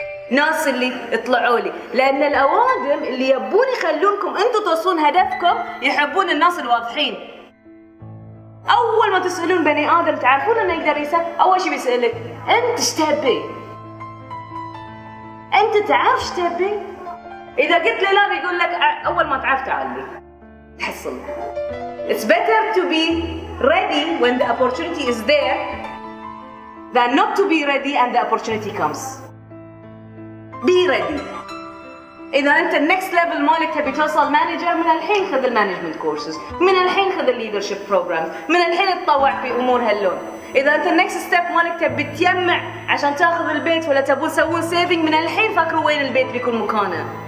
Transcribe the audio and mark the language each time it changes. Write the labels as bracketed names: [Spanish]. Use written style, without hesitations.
[Arabic] ناس اللي طلعوا لي، لأن الأوادم اللي يبون يخلونكم أنتوا توصلون هدفكم يحبون الناس الواضحين. أول ما تسألون بني آدم تعرفون إنه يقدر يسأل، أول شيء بيسألك أنت إيش تبي؟ انت تعرف ايش تبي؟ اذا قلت له لا بيقول لك اول ما تعرف تعالي تحصل. [English] It's better to be ready when the opportunity is there than not to be ready and the opportunity comes. Be ready. [Arabic] اذا انت النكست ليفل مالك تبي توصل مانجر، من الحين خذ المانجمنت كورسز، من الحين خذ الليدرشيب بروجرامز، من الحين تطوع في امور هاللون. اذا انت النكست ستيب مالك تبي تجمع عشان تاخذ البيت ولا تبون تسوون سيفنج، من الحين فكروا وين البيت بيكون مكانه.